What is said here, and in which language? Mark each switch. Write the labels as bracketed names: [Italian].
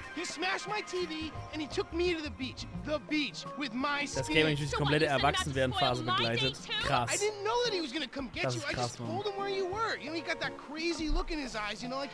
[English] He smashed my TV and he took me to the beach. The beach with my skin. [German] Das Game hat mich durch die komplette Erwachsenwerdenphase begleitet. Krass. [English] I didn't know that he was gonna come get you. I just told him where you were. You know, he got that crazy look in his eyes, you know, like.